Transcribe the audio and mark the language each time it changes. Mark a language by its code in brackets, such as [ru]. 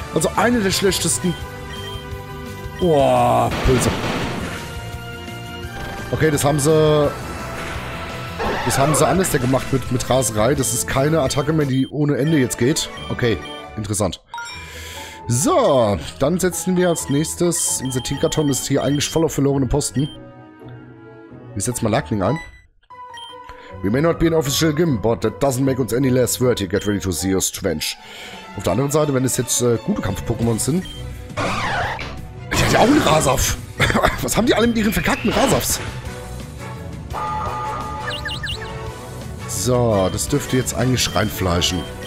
[de] Also eine der schlechtesten. Boah, Pulse. Okay, das haben sie. Das haben sie alles ja gemacht mit Raserei. Das ist keine Attacke mehr, die ohne Ende jetzt geht. Okay, interessant. So, dann setzen wir als nächstes... Unser Tinkerton ist hier eigentlich voll auf verlorene Posten. Wir setzen mal Lightning ein. [en] We may not be an official gym, but that doesn't make us any less worthy. Get ready to see us, Trench. [de] Auf der anderen Seite, wenn es jetzt gute Kampf-Pokémon sind... Die hat ja auch einen Rasaf. Was haben die alle mit ihren verkackten Rasafs? So, das dürfte jetzt eigentlich reinfleischen.